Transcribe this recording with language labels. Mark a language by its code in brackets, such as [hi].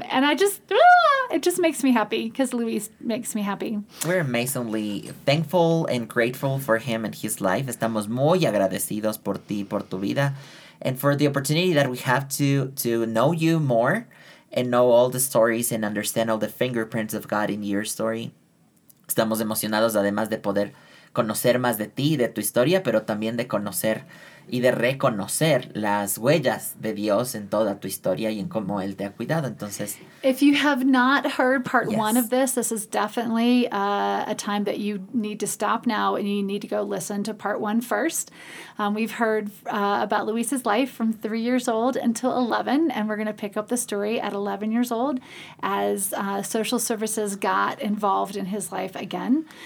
[en] It just makes me happy because Luis makes me happy. We're amazingly thankful and grateful for him and his life. [es] Estamos muy agradecidos por ti, por tu vida, [en] and for the opportunity that we have to know you more and know all the stories and understand all the fingerprints of God in your story. [es] Estamos emocionados además de poder conocer más de ti, de tu historia, pero también de conocer y de reconocer las huellas de Dios en toda tu historia y en cómo Él te ha cuidado. Entonces, [en] if you have not heard part one of this, this is definitely a time that you need to stop now and you need to go listen to part one first. We've heard about Luis's life from 3 years old until 11, and we're going to pick up the story at 11 years old as social services got involved in his life again.